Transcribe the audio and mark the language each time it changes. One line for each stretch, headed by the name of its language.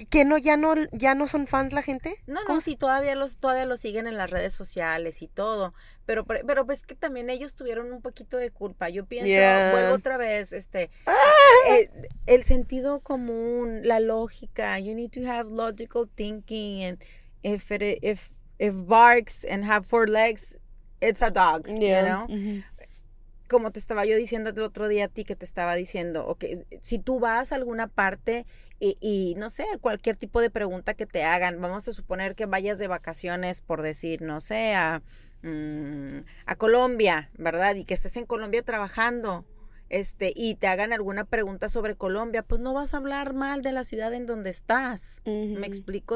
Spanish: ¿Que no, ya no son fans la gente? No, ¿cómo? No, sí, todavía los siguen en las redes sociales y todo. Pero pues que también ellos tuvieron un poquito de culpa. Yo pienso, vuelvo otra vez, el sentido común, la lógica.
English: You need to have logical thinking. And if barks and have four legs, it's a dog, you know?
Spanish: Como te estaba yo diciendo el otro día a ti, que te estaba diciendo, okay, si tú vas a alguna parte y no sé, cualquier tipo de pregunta que te hagan, vamos a suponer que vayas de vacaciones, por decir, no sé, a Colombia, ¿verdad? Y que estés en Colombia trabajando, y te hagan alguna pregunta sobre Colombia, pues no vas a hablar mal de la ciudad en donde estás. Uh-huh. ¿Me explico?